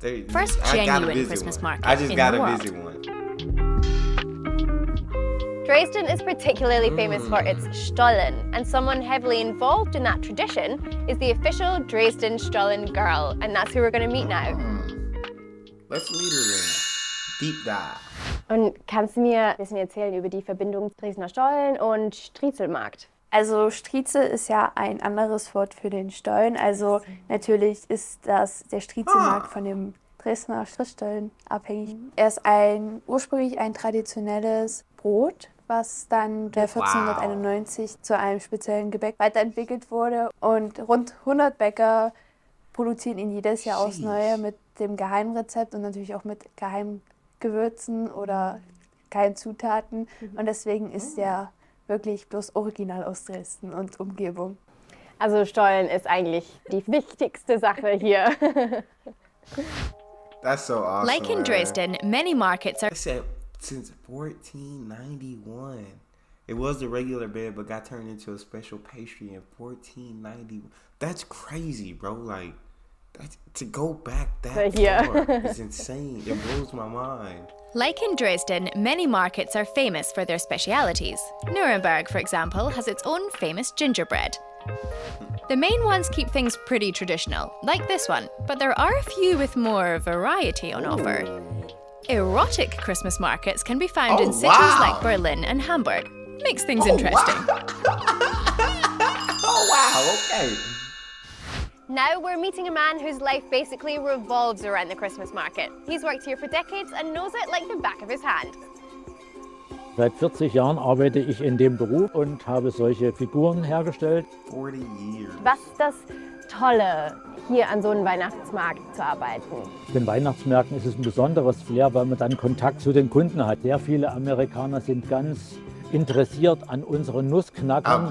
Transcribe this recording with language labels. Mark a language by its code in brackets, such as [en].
[en] first genuine Christmas market. I just gotta visit one. Dresden is particularly famous for its Stollen, and someone heavily involved in that tradition is the official Dresden Stollen girl, and that's who we're going to meet now. Let's meet her then. Deep dive. [de] Und kannst du mir ein bisschen erzählen über die Verbindung Dresdner Stollen und Striezelmarkt? Also Strieze ist ja ein anderes Wort für den Stollen. Also natürlich ist das der Striezelmarkt von dem Dresdner Striezelstollen abhängig. Er ist ursprünglich ein traditionelles Brot, was dann 1491 zu einem speziellen Gebäck weiterentwickelt wurde. Und rund 100 Bäcker produzieren ihn jedes Jahr aufs Neue mit dem Geheimrezept und natürlich auch mit Geheimgewürzen oder geheimen Zutaten. Und deswegen ist er wirklich bloß original aus Dresden und Umgebung. Also Stollen ist eigentlich die wichtigste Sache hier. [en] That's so awesome. Like in Dresden, many markets are... I said, since 1491, it was the regular bread but got turned into a special pastry in 1491. That's crazy, bro. Like, to go back that far is insane. It blows my mind. Like in Dresden, many markets are famous for their specialities. Nuremberg, for example, has its own famous gingerbread. The main ones keep things pretty traditional, like this one, but there are a few with more variety on offer. Erotic Christmas markets can be found in cities like Berlin and Hamburg. Makes things interesting. Okay. Now we're meeting a man whose life basically revolves around the Christmas market. He's worked here for decades and knows it like the back of his hand. [de] Seit 40 Jahren arbeite ich in dem Beruf und habe solche Figuren hergestellt. [en] 40 years. [de] Was ist das Tolle, hier an so einem Weihnachtsmarkt zu arbeiten? In den Weihnachtsmärkten ist es ein besonderes Flair, weil man dann Kontakt zu den Kunden hat. Sehr viele Amerikaner sind ganz interessiert an unseren Nussknackern.